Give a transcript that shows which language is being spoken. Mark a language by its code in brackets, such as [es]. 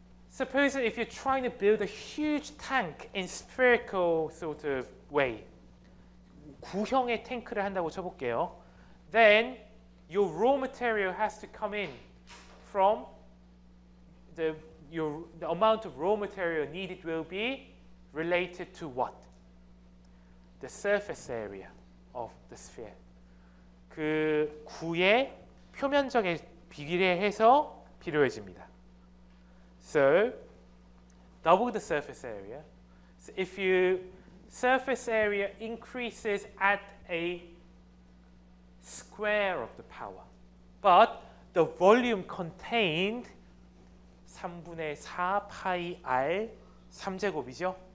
[en] Suppose if you're trying to build a huge tank in spherical sort of way, [ko] 구형의 탱크를 한다고 쳐볼게요. [en] Then your raw material has to come in from the amount of raw material needed will be related to what? The surface area of the sphere. [ko] 그 구의 표면적에 비례해서 필요해집니다. [en] So, double the surface area. So if you surface area increases at a square of the power, but the volume contained [ko] 3분의 4 pi r 3제곱이죠?